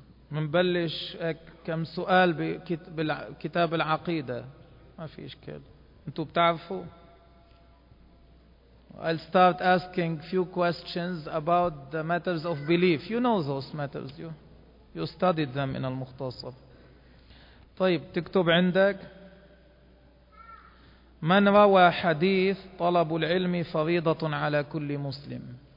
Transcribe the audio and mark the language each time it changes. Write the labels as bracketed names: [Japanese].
[Arabic] منبلش كم سؤال بكتاب العقيدة، ما في إشكال. أنتوا بتعرفوا؟ [English] I'll start asking few questions about the matters of belief. You know those matters. You studied them in المختصر. [Arabic] طيب تكتب عندك. من روى حديث طلب العلم فريضة على كل مسلم.